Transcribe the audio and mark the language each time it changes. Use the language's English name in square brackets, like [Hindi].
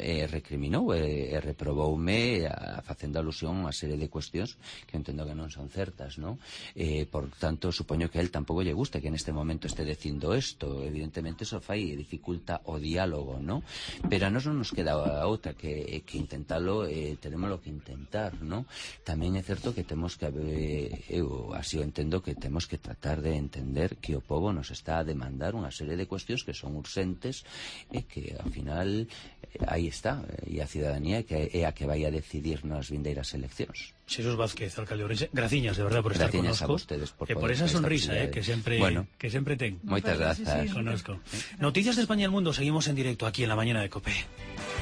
[Galician] recriminou, reprobou-me facendo alusión a unha serie de cuestións que entendo que non son certas, non? Por tanto, supoño que a él tampouco lle gusta que en este momento este dicindo isto. Evidentemente, eso fai e dificulta o diálogo, non? Pero a nos non nos queda outra que intentalo, [Spanish] tenemos lo que intentar, [Galician] non? Tamén é certo que temos que, eu así o entendo, que temos que tratar de entender que o povo nos está a demandar unha serie de cuestións que son urxentes e que, ao final, aí está, e a cidadanía que é a que vai a decidir nas vindeiras eleccións. Xesús Vázquez, alcalde Ourense, graciñas de verdad por estar graciñas conosco. A vostedes por, por esa sonrisa que sempre, bueno, que sempre ten. Moitas grazas. [Spanish] Sí, sí, conosco. Noticias de España e el Mundo, seguimos en directo aquí en la mañana de COPE.